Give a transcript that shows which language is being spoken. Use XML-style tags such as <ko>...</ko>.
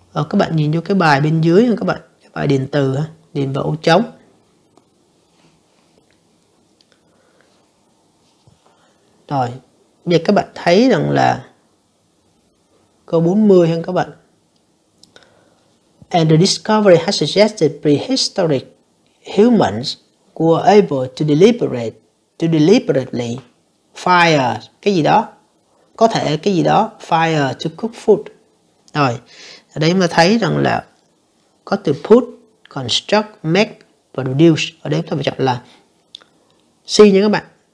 <vi>Các bạn nhìn vô cái bài bên dưới ha các bạn. Cái bài điền từ ha, điền vào ô trống. Rồi, bây giờ các bạn thấy rằng là câu 40 hơn các bạn.</vi> <en>And the discovery has suggested prehistoric humans were able to deliberate, to deliberately fire</en> <vi>cái gì đó. Có thể cái gì đó,</vi> <en>fire to cook food.</en> <vi>Rồi, ở đây chúng ta thấy rằng là có từ put, construct, make, produce. Ở đây chúng ta phải chọn là C nha các bạn.</vi>